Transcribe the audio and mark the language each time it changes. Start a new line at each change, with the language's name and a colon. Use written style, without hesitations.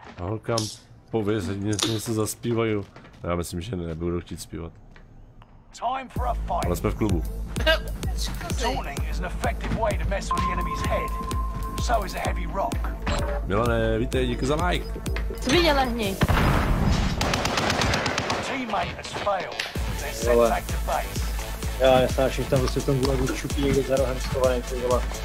Czech: A holkám pověz, něco se zaspívají. Já myslím, že nebudu chtít zpívat.
English: Time for a fight.
Czech: Ale jsme v klubu.
English: Taunting is an effective way to mess with the enemy's head. So is a heavy rock.
Czech: Milane, vítej, díky za like. Svině lehni.
English: Teammate has failed. They're sent back to base.
Czech: Já nesnáším, že tam prostě v tom gulagu čupí někde za rohem schovaný, co dělá.